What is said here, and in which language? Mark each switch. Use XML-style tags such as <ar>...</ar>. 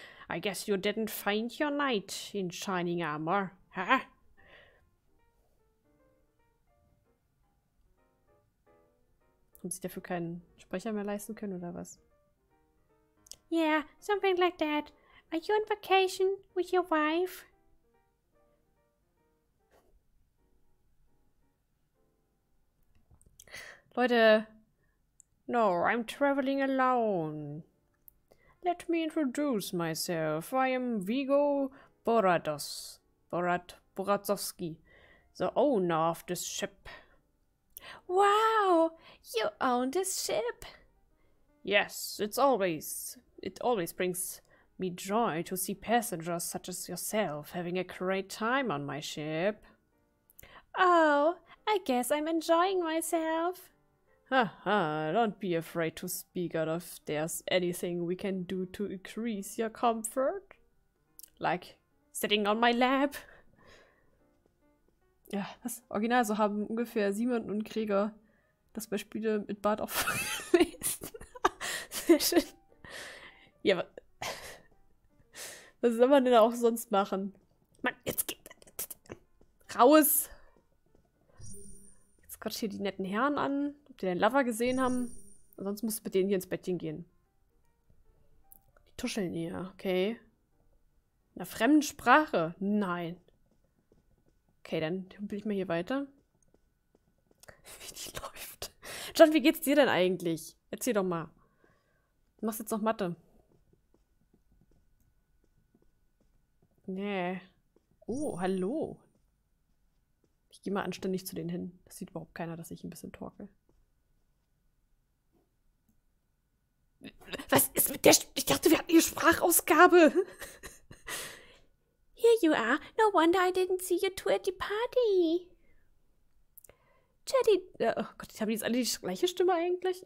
<en>I guess you didn't find your knight in shining armor, huh?</en> <de>Haben sie dafür keinen Sprecher mehr leisten können, oder was?</de> <en>Yeah, something like that. Are you on vacation with your wife?</en> <de>Leute.</de> <en>No, I'm traveling alone. Let me introduce myself. I am Viggo Borados. Boratzowski, the owner of this ship. Wow! You own this ship? Yes, it always brings me joy to see passengers such as yourself having a great time on my ship. Oh, I guess I'm enjoying myself. Haha, don't be afraid to speak out if there's anything we can do to increase your comfort. Like sitting on my lap.</en> <de>Ja, das Original, so haben ungefähr Simon und Gregor das bei Spiele mit Bart auch vorgelesen. Sehr schön. Ja, was soll man denn auch sonst machen? Mann, jetzt geht raus! Jetzt quatsch hier die netten Herren an. Die den Lover gesehen haben. Sonst musst du mit denen hier ins Bettchen gehen. Die tuscheln hier, okay. In einer fremden Sprache? Nein. Okay, dann humpel ich mal hier weiter. Wie die läuft. John, wie geht's dir denn eigentlich? Erzähl doch mal. Du machst jetzt noch Mathe. Nee. Oh, hallo. Ich gehe mal anständig zu denen hin. Das sieht überhaupt keiner, dass ich ein bisschen torkel. Was ist mit der... Ich dachte, wir hatten hier Sprachausgabe.</de> <en>Here you are. No wonder I didn't see you two at the party.</en> <de>Jenny, oh Gott, ich habe jetzt alle die gleiche Stimme eigentlich?</de>